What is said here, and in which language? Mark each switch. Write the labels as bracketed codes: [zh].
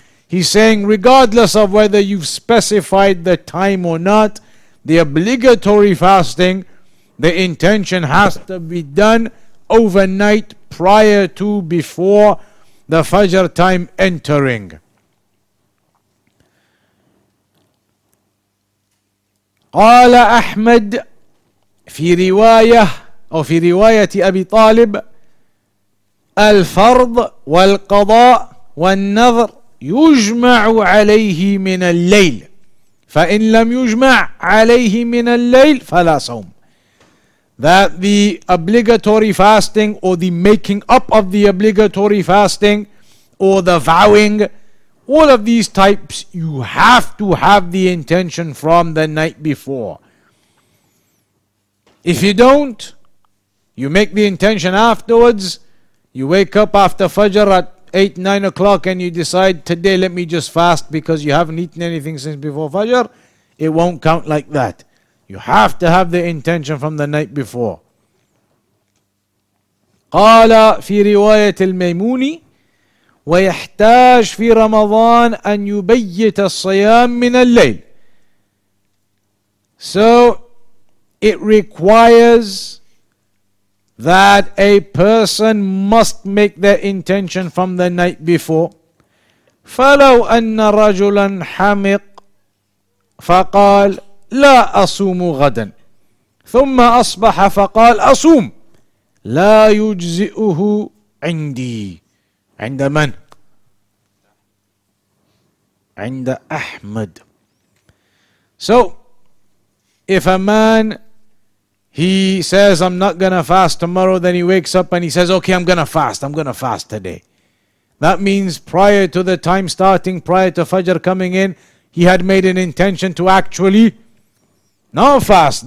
[en] He's saying, regardless of whether you've specified the time or not, the obligatory fasting, the intention has to be done overnight prior to, before the Fajr time entering. [ar] قال أحمد في رواية أو في رواية أبي طالب الفرض والقضاء والنذر يجمع عليه من الليل فإن لم يجمع عليه من الليل فلا صوم. [en] That the obligatory fasting, or the making up of the obligatory fasting, or the vowing, all of these types, you have to have the intention from the night before. If you don't, You make the intention afterwards. You wake up after Fajr at 8, 9 o'clock and you decide, today let me just fast because you haven't eaten anything since before Fajr. It won't count like that. You have to have the intention from the night before. [ar] قال في رواية الميموني ويحتاج في رمضان أن يبيت الصيام من الليل. [en] So it requires that a person must make their intention from the night before. [ar] فلو أن رجلا حمق فقال لا أصوم غدا ثم أصبح فقال أصوم لا يجزئه عندي عند من عند أحمد. [en] So if a man, he says, I'm not gonna fast tomorrow, then he wakes up and he says, okay, I'm gonna fast today. That means prior to the time starting, prior to Fajr coming in, he had made an intention to actually not fast.